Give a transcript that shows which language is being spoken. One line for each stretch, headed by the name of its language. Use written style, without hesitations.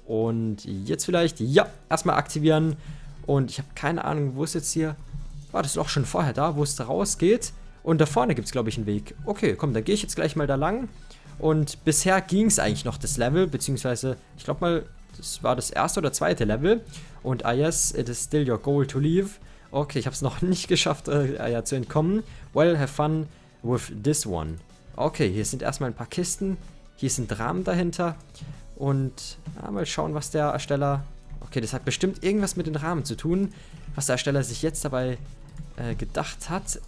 German: Und jetzt vielleicht, ja, erstmal aktivieren. Und ich habe keine Ahnung, wo ist jetzt hier War das Loch schon vorher da, wo es rausgeht? Und da vorne gibt es, glaube ich, einen Weg. Okay, komm, dann gehe ich jetzt gleich mal da lang. Und bisher ging es eigentlich noch, das Level, beziehungsweise, ich glaube mal, das war das erste oder zweite Level.
English: Und ah yes, it is still your goal to leave.
German: Okay, ich habe es noch nicht geschafft, zu entkommen.
English: Well, have fun with this one.
German: Okay, hier sind erstmal ein paar Kisten. Hier sind Rahmen dahinter. Und ja, mal schauen, was der Ersteller... Okay, das hat bestimmt irgendwas mit den Rahmen zu tun, was der Ersteller sich jetzt dabei gedacht hat.